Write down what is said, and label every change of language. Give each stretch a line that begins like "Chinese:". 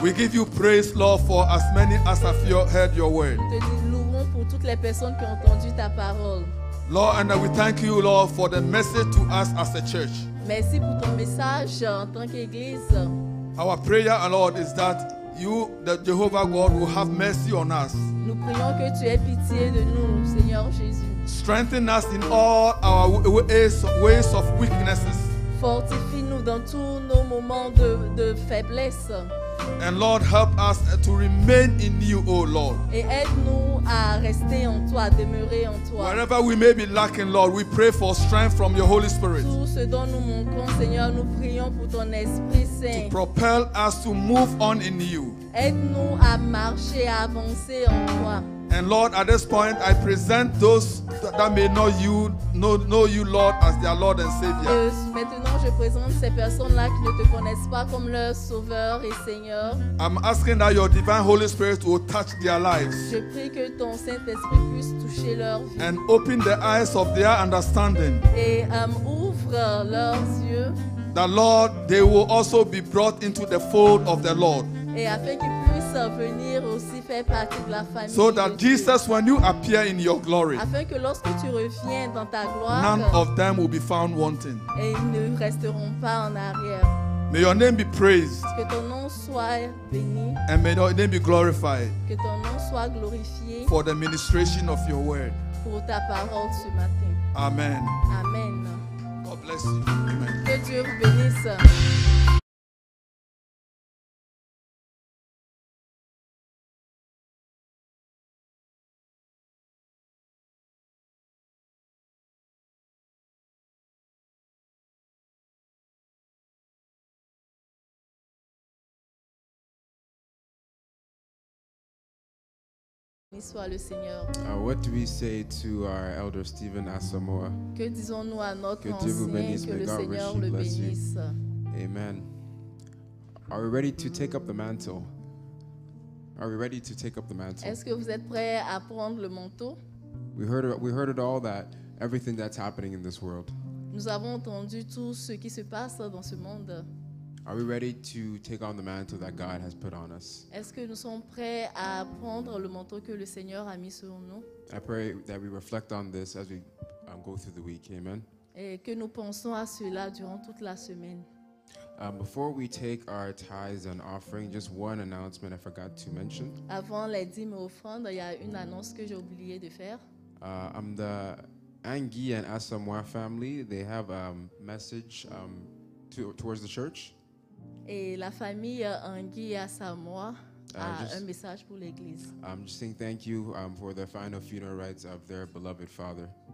English: We give you praise, Lord, for as many as have heard your word. Lord, and we thank you, Lord, for the message to us as a church.
French: Merci pour ton message en tant qu'église.
English: Our prayer, Lord, is that you, the Jehovah God, will have mercy on us.
French: Nous prions que tu aies pitié de nous, Seigneur Jésus.
English: Strengthen us in all our ways of weaknesses.
French: Fortifie-nous dans tous nos moments de faiblesse.
English: And Lord, help us to remain in you, O Lord.
French: Et aide-nous à rester en toi, à demeurer en toi.
English: Wherever we may be lacking, Lord, we pray for strength from your Holy Spirit.
French: Tout ce dont nous manquons, Seigneur, nous prions pour ton Esprit Saint.
English: To propel us to move on in you.
French: Aide-nous à marcher, à avancer en toi.
English: And Lord, at this point, I present those that may know you, Lord, as their Lord and Savior.
French: Maintenant, je présente ces personnes-là qui ne te connaissent pas comme leur Sauveur et Seigneur.
English: I'm asking that your divine Holy Spirit will touch their lives.
French: Je prie que ton Saint-Esprit puisse toucher leur vie.
English: And open the eyes of their understanding.
French: Et ouvre leurs yeux.
English: That Lord, they will also be brought into the fold of the Lord.
French: Et afin qu'ils puissent venir aussi faire partie de la famille.
English: So that Jesus, when you appear in your glory,
French: afin que lorsque tu reviens dans ta gloire,
English: none of them will be found wanting.
French: Et ils ne resteront pas en arrière.
English: May your name be praised.
French: Que ton nom soit béni.
English: And may your name be glorified.
French: Que ton nom soit glorifié.
English: For the ministration of your word.
French: Pour ta parole ce matin.
English: Amen. Amen. God bless you. Amen.
French: Que Dieu vous bénisse. Soit le Seigneur.
English: What do we say to our elder Stephen Asamoah?
French: Que disons-nous à notre que ancien, vous bénisse, que le
English: God
French: Seigneur le bénisse.
English: You. Amen. Are we ready to take up the mantle? Are we ready to take up the mantle?
French: Est-ce que vous êtes prêts à prendre le manteau?
English: We heard it all, that everything that's happening in this world.
French: Nous avons entendu tout ce qui se passe dans ce monde.
English: Are we ready to take on the mantle that God has put on us?
French: Est-ce que nous sommes prêts à prendre le manteau que le Seigneur a mis sur nous?
English: I pray that we reflect on this as we go through the week. Amen.
French: Et que nous pensons à cela durant toute la semaine.
English: Before we take our tithes and offering, just one announcement I forgot to mention.
French: Avant les dîmes et offrandes, il y a une annonce que j'ai oublié de faire.
English: I'm the Angie and Asamoah family. They have a message towards the church.
French: Et la famille Anguille et Asamoah a un message pour l'église.
English: I'm just saying thank you for the final funeral rites of their beloved father.